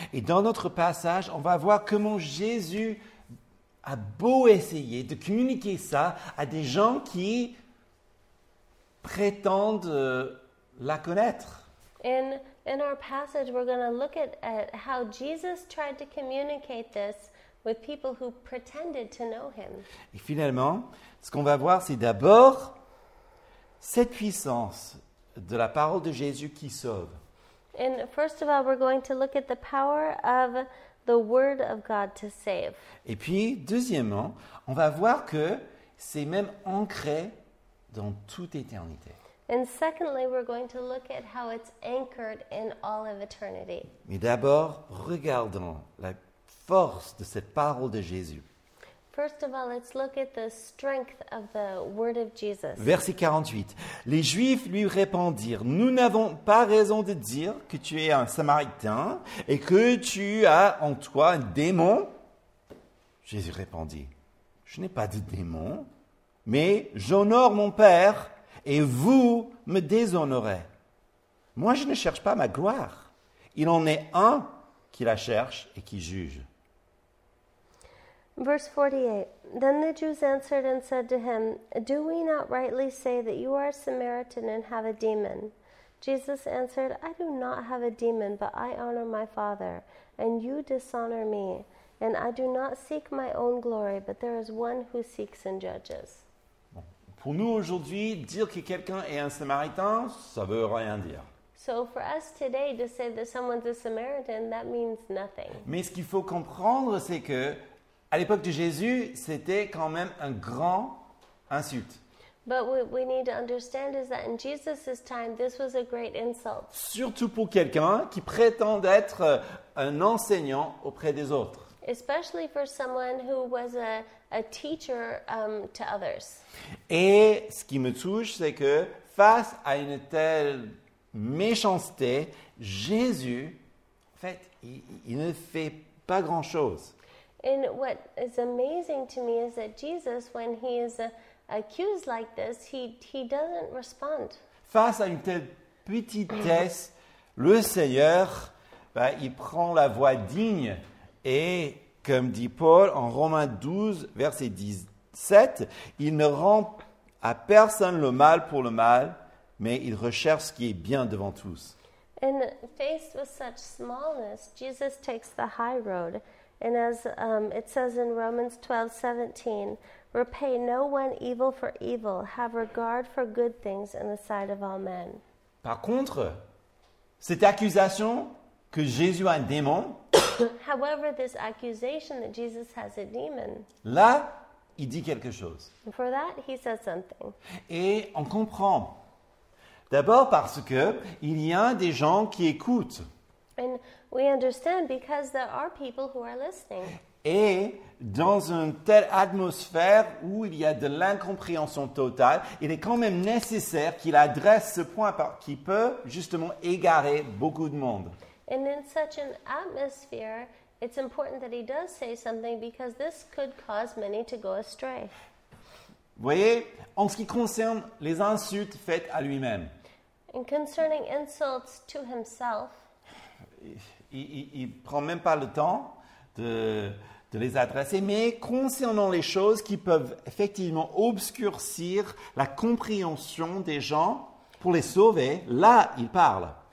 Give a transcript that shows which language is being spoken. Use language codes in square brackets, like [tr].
[fr] Et dans notre passage, on va voir comment Jésus a beau essayer de communiquer ça à des gens qui prétendent la connaître. [en] In our passage, we're going to look at how Jesus tried to communicate this with people who pretended to know him. [fr] Et finalement, ce qu'on va voir, c'est d'abord cette puissance de la parole de Jésus qui sauve. [en] And first of all, we're going to look at the power of the word of God to save. [fr] Et puis, deuxièmement, on va voir que c'est même ancré dans toute éternité. [en] And secondly, we're going to look at how it's anchored in all of eternity. [fr] Mais d'abord, regardons la force de cette parole de Jésus. [en] First of all, let's look at the strength of the word of Jesus. [fr] Verset 48. Les Juifs lui répondirent, nous n'avons pas raison de dire que tu es un Samaritain et que tu as en toi un démon. Jésus répondit, je n'ai pas de démon, mais j'honore mon Père et vous me déshonorez. Moi, je ne cherche pas ma gloire. Il en est un qui la cherche et qui juge. [en] Verse 48. Then the Jews answered and said to him, do we not rightly say that you are a Samaritan and have a demon? Jesus answered, I do not have a demon, but I honor my Father, and you dishonor me. And I do not seek my own glory, but there is one who seeks and judges. [fr] Bon. Pour nous aujourd'hui, dire que quelqu'un est un Samaritain, ça veut rien dire. [en] So for us today to say that someone's a Samaritan, that means nothing. [fr] Mais ce qu'il faut comprendre, c'est que à l'époque de Jésus, c'était quand même un grand insulte. [en] But what we need to understand is that in Jesus's time, this was a great insult. [fr] Surtout pour quelqu'un qui prétend être un enseignant auprès des autres. [en] Especially for someone who was a teacher to others. [fr] Et ce qui me touche, c'est que face à une telle méchanceté, Jésus, en fait, il ne fait pas grand-chose. [en] And what is amazing to me is that Jesus, when he is accused like this, he doesn't respond. [fr] Face à une telle petitesse, le Seigneur, ben, il prend la voie digne. Et comme dit Paul en Romains 12, verset 17, il ne rend à personne le mal pour le mal, mais il recherche ce qui est bien devant tous. [en] And faced with such smallness, Jesus takes the high road. And as it says in Romans 12:17, repay no one evil for evil, have regard for good things in the sight of all men. [fr] Par contre, cette accusation que Jésus a un démon, [en] however, this accusation that Jesus has a demon, [fr] là, il dit quelque chose. [en] For that, he says something. [fr] Et on comprend. D'abord parce qu'il y a des gens qui écoutent. [en] And we understand because there are people who are listening. [fr] Et dans une telle atmosphère où il y a de l'incompréhension totale, il est quand même nécessaire qu'il adresse ce point qui peut justement égarer beaucoup de monde. [en] And in such an atmosphere, it's important that he does say something because this could cause many to go astray. [fr] Voyez, en ce qui concerne les insultes faites à lui-même. [en] And concerning insults to himself, [fr] il prend même pas le temps de les adresser, mais concernant les choses qui peuvent effectivement obscurcir la compréhension des gens pour les sauver, là, il parle.